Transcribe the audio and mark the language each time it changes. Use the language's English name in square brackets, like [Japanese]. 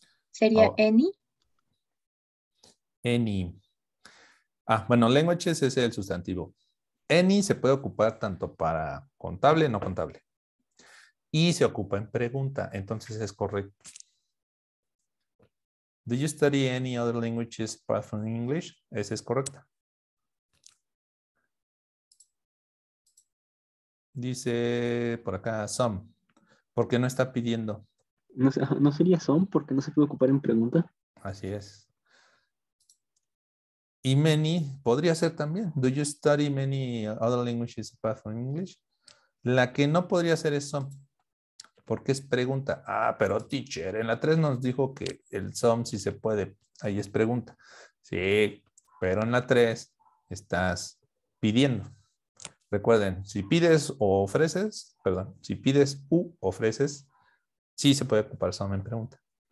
[Spanish] Sería any. Any. Ah, bueno, languages es el sustantivo. Any se puede ocupar tanto para contable, no contable. Y se ocupa en pregunta, entonces es correcto. [English] Do you study any other languages apart from English? [Spanish] Esa es correcta. Dice por acá, some. ¿Por qué no está pidiendo? No, no sería some, porque no se puede ocupar en pregunta. Así es. Y many, podría ser también. [English] Do you study many other languages apart from English? [Spanish] La que no podría ser es some. Porque es pregunta. Ah, pero teacher, en la 3 nos dijo que el some sí se puede. Ahí es pregunta. Sí, pero en la 3 estás pidiendo. Recuerden, si pides o ofreces, perdón, si pides u ofreces, sí se puede ocupar some en pregunta.